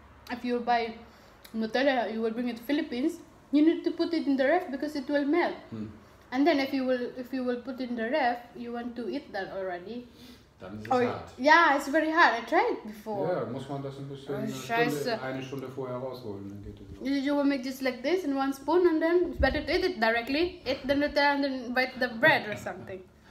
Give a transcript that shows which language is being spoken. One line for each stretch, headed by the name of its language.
English: If you buy Nutella, you will bring it to Philippines, you need to put it in the ref because it will melt. Hm. And then if you will put it in the ref, you want to eat that already.
German: Dann ist es hart. Ja,
English: it's very hard. I tried before.
German: Ja, muss man das ein bisschen eine Stunde vorher rausholen, dann geht es los.
English: You will make just like this in one spoon and then it's better to eat it directly. Eat the Nutella and then bite the bread or something.